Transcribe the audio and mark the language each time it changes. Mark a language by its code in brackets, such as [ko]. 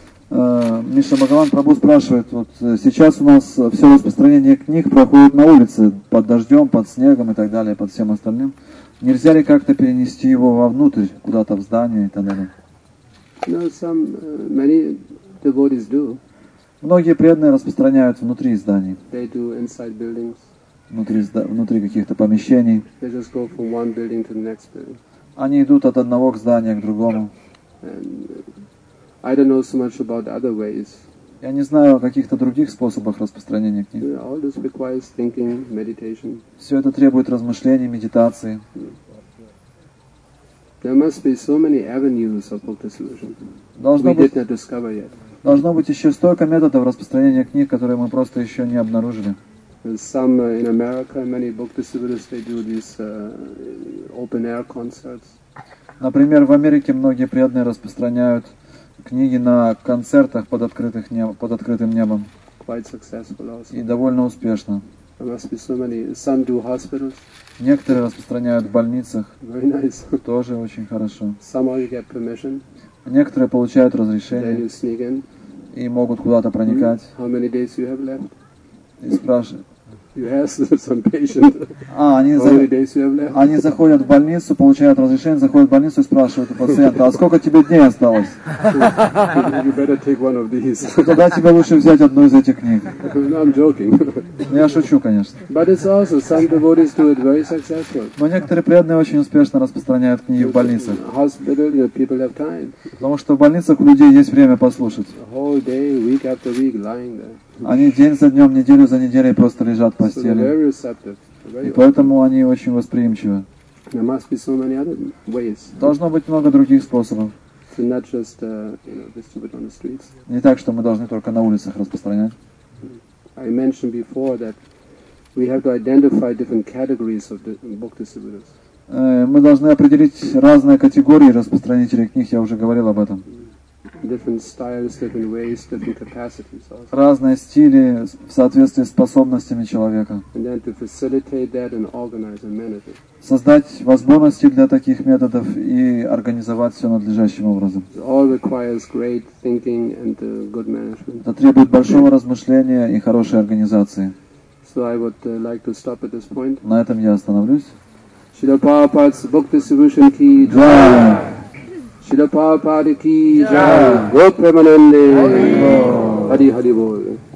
[ru] Миша Бхагаван Прабху спрашивает, вот сейчас у нас все распространение книг проходит на улице, под дождем, под снегом и так далее, под всем остальным. Нельзя ли как-то перенести его вовнутрь, куда-то в здание и так далее? [en] Many devotees do. [ru] Многие преданные распространяют внутри зданий. [en] They do inside buildings. [ru] Внутри каких-то помещений. [en] They just go from one building to the next building. [ru] Они идут от одного к зданию, к другому. [en] I don't know so much about other ways. [ru] Я не знаю о каких-то других способах распространения книг. [en] All this requires thinking, meditation. [ru] Все это требует размышлений, медитации. [en] There must be so many avenues of book distribution. [ru] Должно [en] we [ru] быть, [en] did not discover yet. [ru] Должно быть еще столько методов распространения книг, которые мы просто еще не обнаружили. [en] Some in America, many book distributors, they do these open-air concerts. [ru] Например, в Америке многие преданные распространяют книги на концертах под открытым небом. [en] Quite successful also. [ru] И довольно успешно. [en] There must be so many. Some do hospitals. [ru] Некоторые распространяют в больницах. [en] Very nice. [ru] Тоже очень хорошо. [en] Some only get permission. [ru] Некоторые получают разрешение. [en] Then you sneak in. [ru] И могут куда-то проникать. [en] How many days you have left? [ru] И спрашивают. Они заходят в больницу, получают разрешение, заходят в больницу и спрашивают у пациента, а сколько тебе дней осталось? [en] You better take one of these. [ru] Тогда тебе лучше взять одну из этих книг. [en] No, I'm joking. [ru] Я шучу, конечно. [en] But it's also, some devotees do it very successfully. [ru] Но некоторые преданные очень успешно распространяют книги в больницах. [en] Hospital, you know, people have time. [ru] Потому что в больницах у людей есть время послушать. [en] A whole day, week after week, lying there. [ru] Они день за днем, неделю за неделей просто лежат в постели. И поэтому они очень восприимчивы. [en] There must be so many other ways. [ru] Должно быть много других способов. [en] So not just, you know, distribute on the streets. [ru] Не так, что мы должны только на улицах распространять. [en] I mentioned before that we have to identify different categories of book distributors. [ru] Мы должны определить разные категории распространителей книг, я уже говорил об этом. [en] Different styles, different ways, different capacities also. [ru] Разные стили в соответствии с способностями человека. [en] And then to facilitate that and organize and manage it. [ru] Создать возможности для таких методов и организовать все надлежащим образом. [en] It all requires great thinking and good management. [ru] Это требует большого размышления и хорошей организации. [en] So I would like to stop at this point. [ru] На этом я остановлюсь. Шрила Прабхупада Бхакти Всевышний Ки Джай. Шрила Прабхупада Ки Джай. Гопи Премананде. Хари Хари Бол.